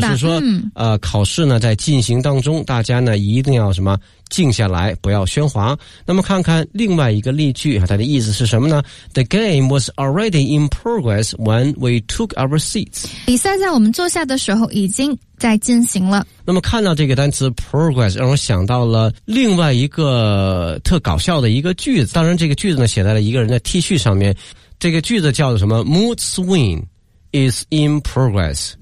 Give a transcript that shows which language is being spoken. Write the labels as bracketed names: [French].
[Chinese] 表示说，考试呢在进行当中，大家呢一定要什么静下来，不要喧哗。那么看看另外一个例句，它的意思是什么呢？ [English] The game was already in progress when we took our seats. [Chinese] 比赛在我们坐下的时候已经在进行了。那么看到这个单词 progress， 让我想到了另外一个特搞笑的一个句子。当然这个句子呢写在了一个人的 T 恤上面。这个句子叫做什么？ [English] Mood swing is in progress.